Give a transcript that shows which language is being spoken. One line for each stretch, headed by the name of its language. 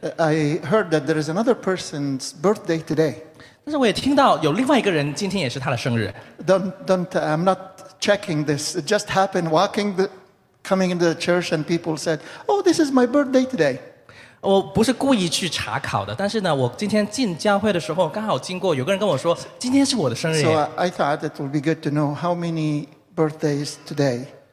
English: I heard that there is another person's birthday today.
Chinese: 但是我也听到有另外一个人今天也是他的生日。
English: I'm not checking this. It just happened coming into the church and people said, oh, this is my birthday today.
Chinese: 我不是故意去查考的，但是呢，我今天进教会的时候刚好经过，有个人跟我说，今天是我的生日。
English: So I thought it would be good to know how many birthdays today.